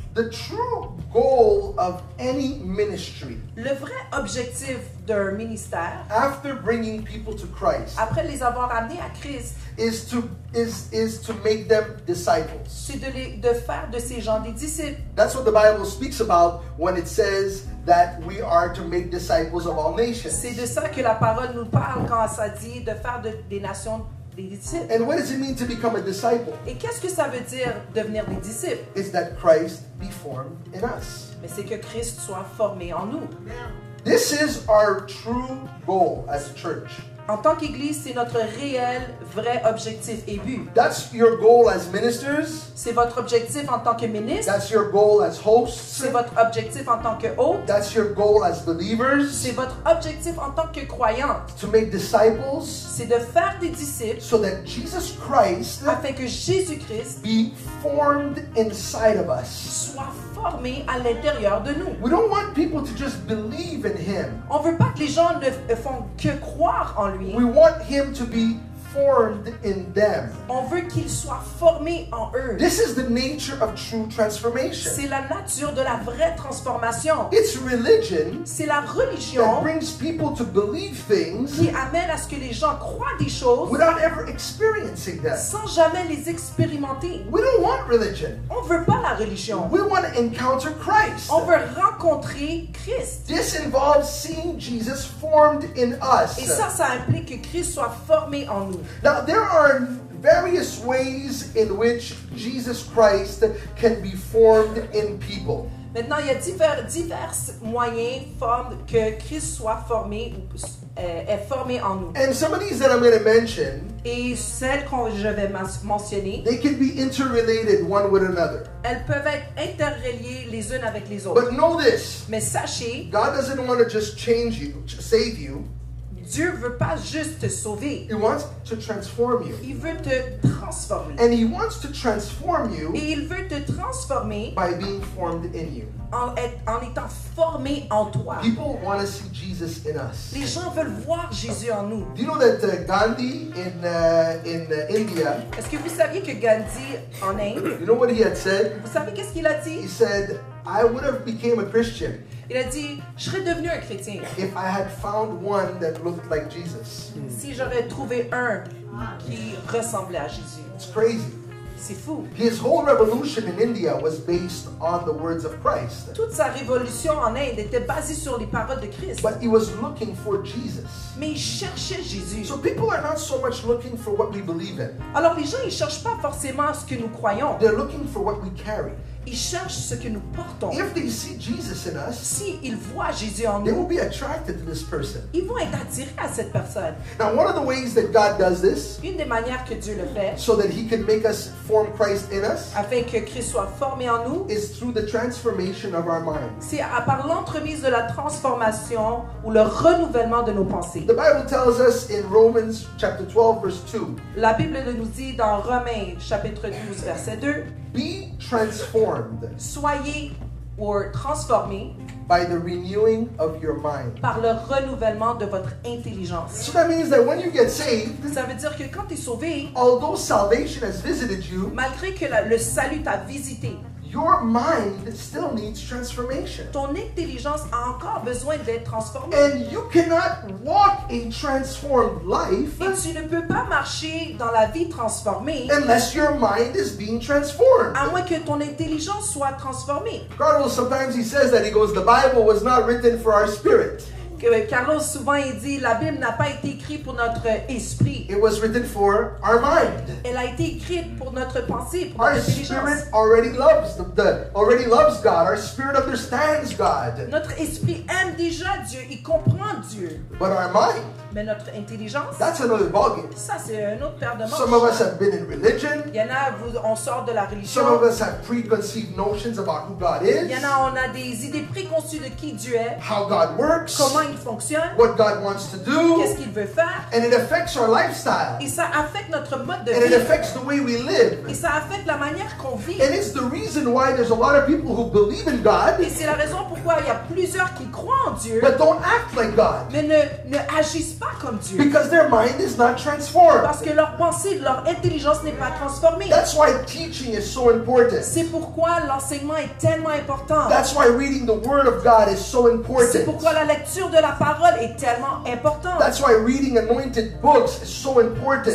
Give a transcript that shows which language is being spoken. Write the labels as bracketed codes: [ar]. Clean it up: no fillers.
[en] The true goal of any ministry, [fr] le vrai objectif d'un ministère, [en] after bringing people to Christ, [fr] après les avoir amenés à Christ, [en] is to make them disciples. [fr] C'est de faire de ces gens des disciples. [en] That's what the Bible speaks about when it says that we are to make disciples of all nations. [fr] C'est de ça que la parole nous parle quand ça dit de faire des nations. [en] And what does it mean to become a disciple? [fr] Et qu'est-ce que ça veut dire devenir des disciples? [en] Is that Christ be formed in us? [fr] Mais c'est que Christ soit formé en nous. [en] This is our true goal as a church. [fr] En tant qu'église, c'est notre réel, vrai objectif et but. [en] That's your goal as ministers. [fr] C'est votre objectif en tant que ministre. [en] That's your goal as hosts. [fr] C'est votre objectif en tant que hôte. [en] That's your goal as believers. [fr] C'est votre objectif en tant que croyant. [en] To make disciples. [fr] C'est de faire des disciples. [en] So that Jesus Christ, [fr] afin que Jésus-Christ, [en] be formed inside of us. [fr] Soit formé à l'intérieur de nous. [en] We don't want people to just believe in him. [fr] On veut pas que les gens ne font que croire en lui. [en] We want him to be formed in them. [fr] On veut qu'il soit formé en eux. [en] This is the nature of true transformation. [fr] C'est la nature de la vraie transformation. [en] It's religion. [fr] C'est la religion [en] that brings people to believe things. [fr] Qui amène à ce que les gens croient des choses. [en] Without ever experiencing them. [fr] Sans jamais les expérimenter. [en] We don't want religion. [fr] On veut pas la religion. [en] We want to encounter Christ. [fr] On veut rencontrer Christ. [en] This involves seeing Jesus formed in us. [fr] Et ça implique que Christ soit formé en nous. [en] Now, there are various ways in which Jesus Christ can be formed in people. [fr] Maintenant, il y a divers moyens formes que Christ soit formé ou est formé en nous. [en] And some of these that I'm going to mention, [fr] et celles que je vais mentionner, [en] they can be interrelated one with another. [fr] Elles peuvent être interreliées les unes avec les autres. [en] But know this, [fr] mais sachez, [en] God doesn't want to just change you, save you. [fr] Dieu veut pas juste te sauver. [en] He wants to transform you. [fr] Il veut te transformer. [en] And he wants to transform you. [fr] Et il veut te transformer. [en] By being formed in you. [fr] En étant formé en toi. [en] People want to see Jesus in us. [fr] Les gens veulent voir Jésus en nous. [en] Do you know that Gandhi in India? [fr] Est-ce que vous saviez que Gandhi en Inde? [en] You know what he had said? [fr] Vous savez qu'est-ce qu'il a dit? [en] He said, "I would have became a Christian." [fr] Il a dit, je serais devenu un chrétien. [en] If I had found one that looked like Jesus. [fr] Si j'aurais trouvé un qui ressemblait à Jésus. [en] It's crazy. [fr] C'est fou. [en] His whole revolution in India was based on the words of Christ. [fr] Toute sa révolution en Inde était basée sur les paroles de Christ. [en] But he was looking for Jesus. [fr] Mais il cherchait Jésus. [en] So people are not so much looking for what we believe in. [fr] Alors les gens ils cherchent pas forcément ce que nous croyons. [en] They're looking for what we carry. [fr] Ils cherchent ce que nous portons. [en] If they see Jesus in us, [fr] si ils voient Jésus en nous, [en] they will be attracted to this person. [fr] Ils vont être attirés à cette personne. [en] Now, one of the ways that God does this, [fr] une des manières que Dieu le fait, [en] so that he can make us form Christ in us, [fr] afin que Christ soit formé en nous, [en] is through the transformation of our mind. [fr] C'est à par l'entremise de la transformation ou le renouvellement de nos pensées. [en] The Bible tells us in Romans chapter 12 verse 2. [fr] La Bible nous dit dans Romains chapitre 12 verset 2. [en] Be transformed. [fr] Soyez or transformé [en] by the renewing of your mind. [fr] Par le renouvellement de votre intelligence. [en] So that means that when you get saved, [fr] ça veut dire que quand t'es sauvé, [en] although salvation has visited you, [fr] malgré que le salut t'a visité, [en] your mind still needs transformation. [fr] Ton intelligence a encore besoin d'être transformée. [en] And you cannot walk a transformed life. [fr] Et tu ne peux pas marcher dans la vie transformée. [en] Unless your mind is being transformed. [fr] À moins que ton intelligence soit transformée. [en] Carlos, sometimes he says that he goes, the Bible was not written for our spirit. [fr] Carlos souvent il dit la Bible n'a pas été écrite pour notre esprit. [en] It was written for our mind. [fr] Elle a été écrite pour notre pensée, pour [en] our [fr] notre intelligence. [en] Our spirit already loves God. Our spirit understands God. [fr] Notre esprit aime déjà Dieu, il comprend Dieu. [en] But our mind. [fr] Mais notre intelligence. [en] That's another ballgame. [fr] Ça c'est un autre paire de manches. [en] Some of us have been in religion. [fr] Il y en a vous on sort de la religion. [en] Some of us have preconceived notions about who God is. [fr] Il y en a on a des idées préconçues de qui Dieu est. [en] How God works. [fr] Comment il fonctionne. [en] What God wants to do. [fr] Qu'est-ce qu'il veut faire. [en] And it affects our lifestyle. [fr] Et ça affecte notre mode de [en] and [fr] vie. [en] And it affects the way we live. [fr] Et ça affecte la manière qu'on vit. [en] And it's the reason why there's a lot of people who believe in God. [fr] Et c'est la raison pourquoi il y a plusieurs qui croient en Dieu. [en] But don't act like God. [fr] Mais ne agissent pas comme Dieu. [en] Because their mind is not transformed. [fr] Parce que leur pensée, leur intelligence n'est pas transformée. [en] That's why teaching is so important. [fr] C'est pourquoi l'enseignement est tellement important. [en] That's why reading the word of God is so important. [fr] C'est pourquoi la lecture de la parole est tellement importante. [en] That's why reading anointed books is so important.